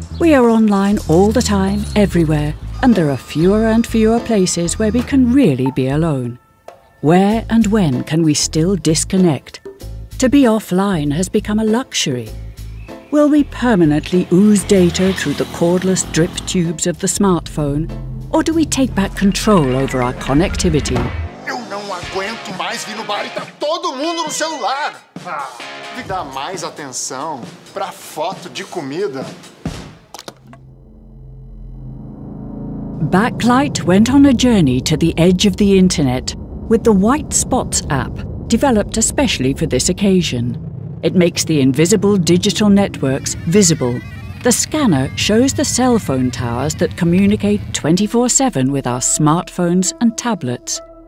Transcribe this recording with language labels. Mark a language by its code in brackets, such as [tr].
[en] We are online all the time, everywhere, and there are fewer and fewer places where we can really be alone. Where and when can we still disconnect? To be offline has become a luxury. Will we permanently ooze data through the cordless drip tubes of the smartphone? Or do we take back control over our connectivity? [pt] Eu não aguento mais vir no bar e tá todo mundo no celular! Me dá mais atenção pra foto de comida. [en] Backlight went on a journey to the edge of the internet with the White Spots app, developed especially for this occasion. It makes the invisible digital networks visible. The scanner shows the cell phone towers that communicate 24/7 with our smartphones and tablets.